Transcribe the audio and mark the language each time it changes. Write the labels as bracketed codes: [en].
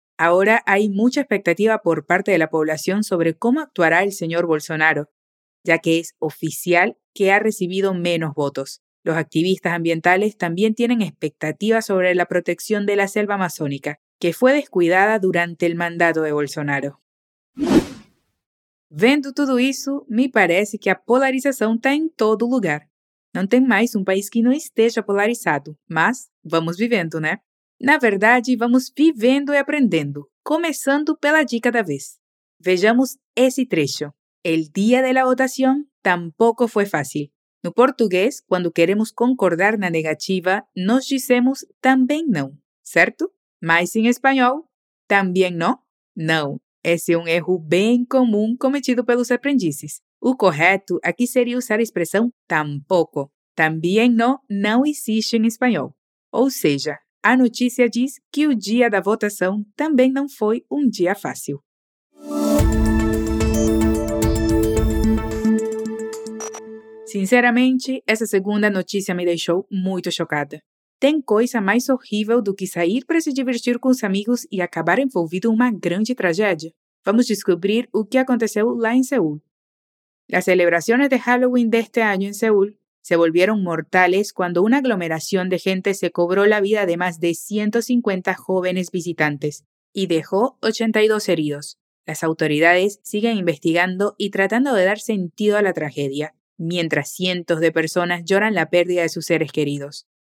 [es] Ahora hay mucha expectativa por parte de la población sobre cómo actuará el señor Bolsonaro, ya que es oficial que ha recibido menos votos. Los activistas ambientales también tienen expectativas sobre la protección de la selva amazónica, que fue descuidada durante el mandato de Bolsonaro. [pt] Vendo tudo isso, me parece que a polarização está em todo lugar. Não tem mais um país que não esteja polarizado, mas vamos vivendo, né? Na verdade, vamos vivendo e aprendendo, começando pela dica da vez. Vejamos esse trecho. [es] El día de la votación tampoco fue fácil. [pt] No português, quando queremos concordar na negativa, nos dizemos também não, certo? Mas em espanhol, também não? Não. Esse é um erro bem comum cometido pelos aprendizes. O correto aqui seria usar a expressão tampoco. Também não existe em espanhol. Ou seja, a notícia diz que o dia da votação também não foi um dia fácil. Sinceramente, essa segunda notícia me deixou muito chocada. Tem coisa mais horrível do que sair para se divertir com os amigos e acabar envolvido em uma grande tragédia? Vamos descubrir o que aconteceu lá em Seul. [es] Las celebraciones de Halloween de este año en Seúl se volvieron mortales cuando una aglomeración de gente se cobró la vida de más de 150 jóvenes visitantes y dejó 82 heridos. Las autoridades siguen investigando y tratando de dar sentido a la tragedia, mientras cientos de personas lloran la pérdida de sus seres queridos.